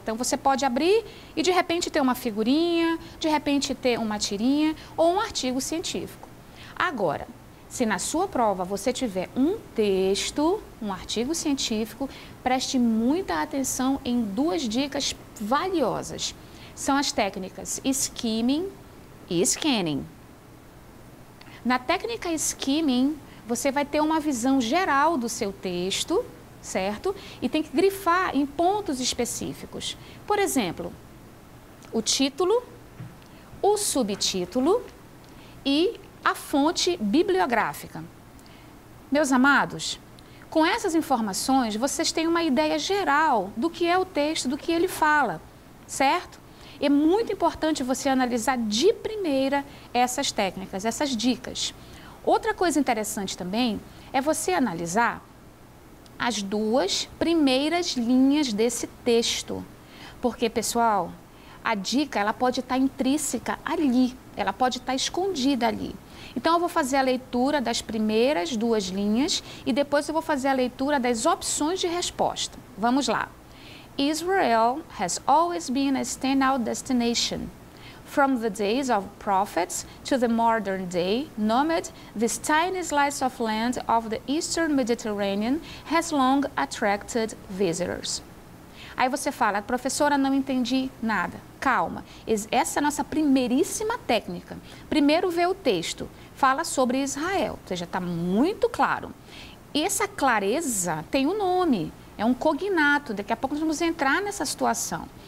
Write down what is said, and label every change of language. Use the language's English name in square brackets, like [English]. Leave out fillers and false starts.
[Portuguese] Então, você pode abrir e de repente ter uma figurinha, de repente ter uma tirinha ou um artigo científico. Agora, se na sua prova você tiver um texto, um artigo científico, preste muita atenção em duas dicas valiosas. São as técnicas skimming e scanning. Na técnica skimming, você vai ter uma visão geral do seu texto, certo? E tem que grifar em pontos específicos. Por exemplo, o título, o subtítulo e a fonte bibliográfica. Meus amados, com essas informações, vocês têm uma ideia geral do que é o texto, do que ele fala, certo? É muito importante você analisar de primeira essas técnicas, essas dicas. Outra coisa interessante também é você analisar as duas primeiras linhas desse texto. Porque, pessoal, a dica ela pode estar intrínseca ali, ela pode estar escondida ali. Então, eu vou fazer a leitura das primeiras duas linhas e depois eu vou fazer a leitura das opções de resposta. Vamos lá. [English] Israel has always been a standout destination. From the days of prophets to the modern day nomad, this tiny slice of land of the Eastern Mediterranean has long attracted visitors. [Portuguese] Aí você fala, professora, não entendi nada. Calma, essa é a nossa primeiríssima técnica. Primeiro vê o texto, fala sobre Israel, ou seja, está muito claro. E essa clareza tem um nome. É um cognato, daqui a pouco nós vamos entrar nessa situação.